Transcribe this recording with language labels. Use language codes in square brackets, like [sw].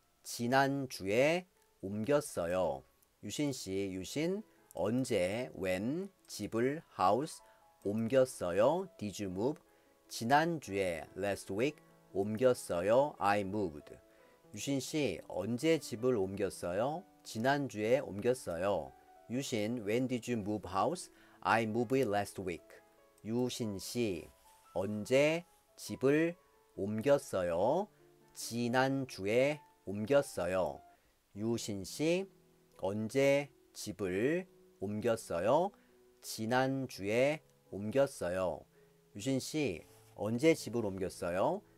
[ko] 지난주에 옮겼어요. 유신 씨, 유신, 언제, when, 집을, house, 옮겼어요? [en] Did you move? [ko] 지난주에, [en] last week, [ko] 옮겼어요? [en] I moved. [ko] 유신 씨, 언제 집을 옮겼어요? 지난주에 옮겼어요. [en] 유신, when did you move house? I moved last week. [ko] 유신 씨, 언제 집을 옮겼어요? 지난주에 옮겼어요. 유신 씨, 언제 집을 옮겼어요? 지난주에 옮겼어요. 유신 씨, 언제 집을 옮겼어요?